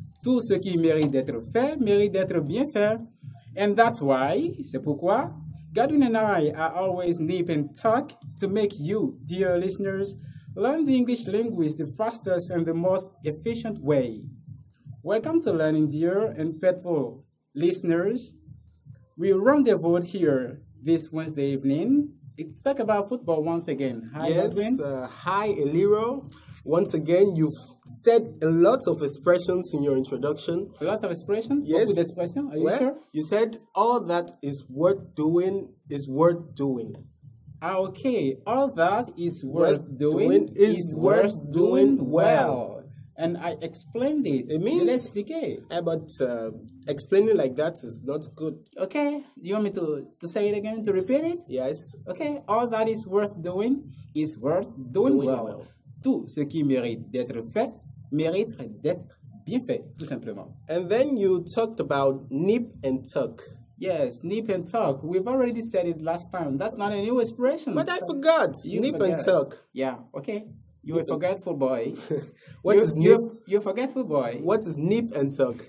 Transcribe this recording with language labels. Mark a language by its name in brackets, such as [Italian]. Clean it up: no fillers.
[French] Tout ce qui mérite d'être fait, mérite d'être bien fait. [English] And that's why, [French] c'est pourquoi, [English] Godwin and I are always nip and tuck to make you, dear listeners, learn the English language the fastest and the most efficient way. Welcome to Learning, dear and faithful listeners. We rendezvous here this Wednesday evening. It's talk about football once again. Hi, yes, Godwin. Hi, Eliro. Once again, you've said a lot of expressions in your introduction. A lot of expressions? Yes. What was the expression? Are you sure? You said all that is worth doing is worth doing. Ah, okay. All that is worth doing is worth doing well. And I explained it. It means? Let's begin. Yeah, but explaining like that is not good. Okay. You want me to say it again, to repeat it? Yes. Okay. All that is worth doing well. [French] Tout ce qui mérite d'être bien fait, tout simplement. [English] And then you talked about nip and tuck. Yes, nip and tuck. We've already said it last time. That's not a new expression. But I forgot. Nip and tuck. Yeah, okay. You're a forgetful boy. You're a forgetful boy. What is nip and tuck?